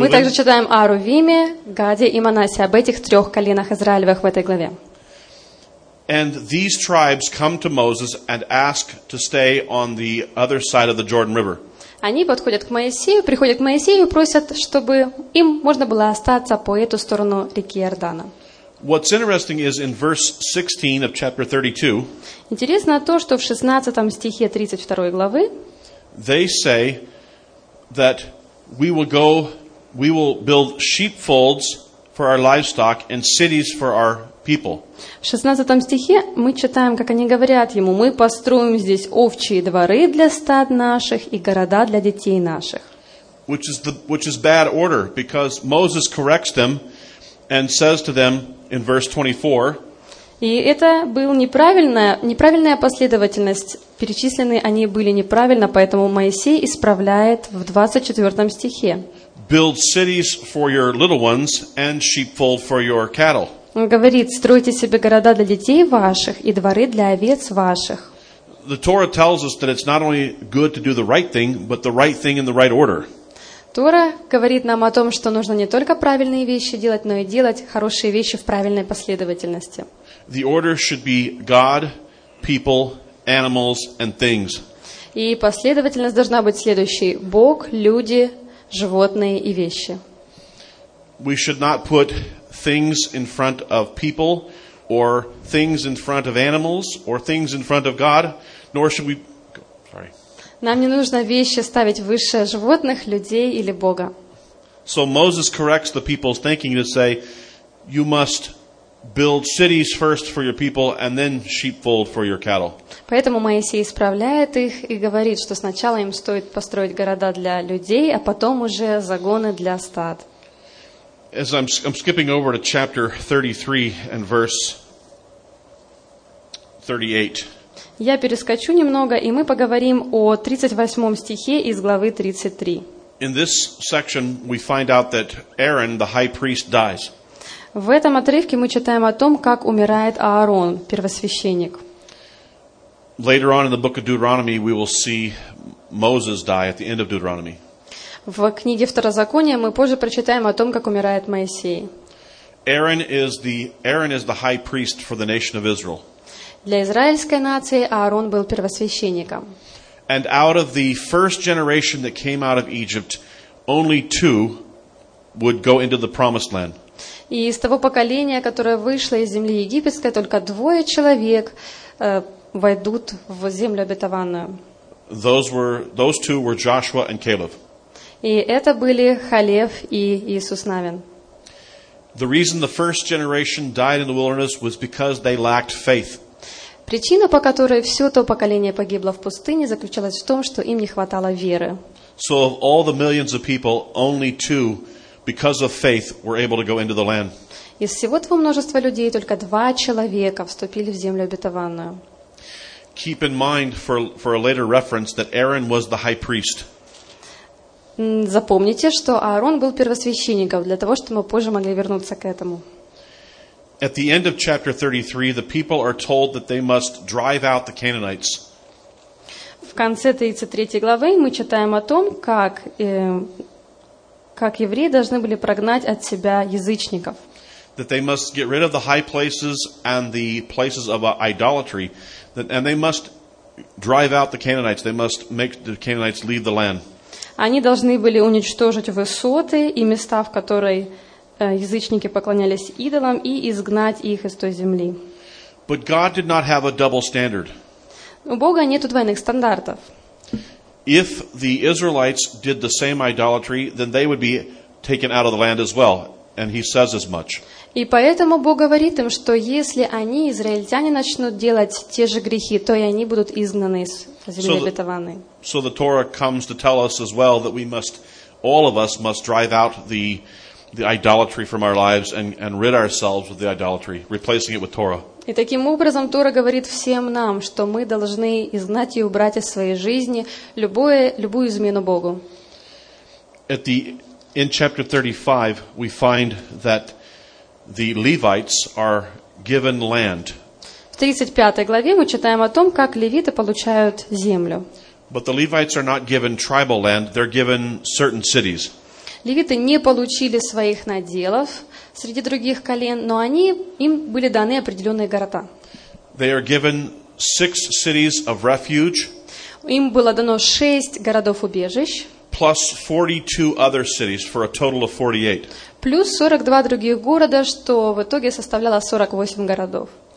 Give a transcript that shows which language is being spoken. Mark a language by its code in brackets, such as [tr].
[ru] Мы также читаем о Рувиме, Гаде и Манассе, об этих трех коленах Израилевых в этой главе. [en] And these tribes come to Moses and ask to stay on the other side of the Jordan River. [ru] Они подходят к Моисею, приходят к Моисею и просят, чтобы им можно было остаться по эту сторону реки Иордана. [en] What's interesting is in verse 16 of chapter 32. [ru] Интересно то, что в 16 стихе 32 главы [en] they say that we will build sheepfolds for our livestock and cities for our people. [ru] В 16 стихе мы читаем, как они говорят ему: мы построим здесь овчьи дворы для стад наших и города для детей наших. [en] Which is bad order, because Moses corrects them and says to them in verse 24. [ru] И это был неправильная последовательность. Перечислены они были неправильно, поэтому Моисей исправляет в 24 стихе. [en] Build cities for your little ones and sheepfold for your cattle. [ru] Он говорит: стройте себе города для детей ваших и дворы для овец ваших. [en] The Torah tells us that it's not only good to do the right thing, but the right thing in the right order. [ru] Тора говорит нам о том, что нужно не только правильные вещи делать, но и делать хорошие вещи в правильной последовательности. [en] The order should be God, people, animals, and things. [ru] И последовательность должна быть следующей: Бог, люди, животные и вещи. [en] We should not put things in front of people, or things in front of animals, or things in front of God, nor should we... Sorry. [ru] Нам не нужно вещи ставить выше животных, людей или Бога. [en] So Moses corrects the people's thinking to say, you must build cities first for your people, and then sheepfold for your cattle. [ru] Поэтому Моисей исправляет их и говорит, что сначала им стоит построить города для людей, а потом уже загоны для стад. [en] As I'm skipping over to chapter 33 and verse 38. [ru] Я перескочу немного, и мы поговорим о 38 стихе из главы 33. [en] In this section we find out that Aaron, the high priest, dies. [ru] В этом отрывке мы читаем о том, как умирает Аарон, первосвященник. [en] Later on in the book of Deuteronomy we will see Moses die at the end of Deuteronomy. [ru] В книге Второзакония мы позже прочитаем о том, как умирает Моисей. [en] Aaron is the high priest for the nation of Israel. [ru] Для израильской нации Аарон был первосвященником. [en] And out of the first generation that came out of Egypt, only two would go into the promised land. [ru] И из того поколения, которое вышло из земли египетской, только двое человек войдут в землю обетованную. [en] Those two were Joshua and Caleb. [ru] И это были Халев и Иисус Навин. [en] The reason the first generation died in the wilderness was because they lacked faith. [ru] Причина, по которой все то поколение погибло в пустыне, заключалась в том, что им не хватало веры. [en] So of all the millions of people, only two, because of faith, were able to go into the land. [ru] Из всего того множества людей только два человека вступили в землю обетованную. [en] Keep in mind for a later reference that Aaron was the high priest. [ru] Запомните, что Аарон был первосвященником, для того, чтобы мы позже могли вернуться к этому. [en] At the end of chapter 33, the people are told that they must drive out the Canaanites. [ru] В конце 33 главы мы читаем о том, как евреи должны были прогнать от себя язычников. [en] That they must get rid of the high places and the places of idolatry, and they must drive out the Canaanites. They must make the Canaanites leave the land. [ru] Они должны были уничтожить высоты и места, в которой язычники поклонялись идолам, и изгнать их из той земли. [en] But God did not have a double standard. [ru] У Бога нету двойных стандартов. [en] If the Israelites did the same idolatry, then they would be taken out of the land as well, and he says as much. [ru] И поэтому Бог говорит им, что если они, израильтяне, начнут делать те же грехи, то и они будут изгнаны из земли обетованной. [en] So the Torah comes to tell us as well that we must, all of us must drive out the idolatry from our lives and rid ourselves of the idolatry, replacing it with Torah. [ru] И таким образом Тора говорит всем нам, что мы должны изгнать и убрать из своей жизни любую измену Богу. [en] In chapter 35 we find that the Levites are given land. [ru] В 35 главе мы читаем о том, как левиты получают землю. [en] But the Levites are not given tribal land, they're given certain cities. [ru] Левиты не получили своих наделов среди других колен, но они им были даны определенные города. [en] They are given 6 cities of refuge. [ru] Им было дано 6 городов убежищ. [en] Plus 42 other cities for a total of 48. [ru] Плюс 42 других города, что в итоге составляло 48 городов.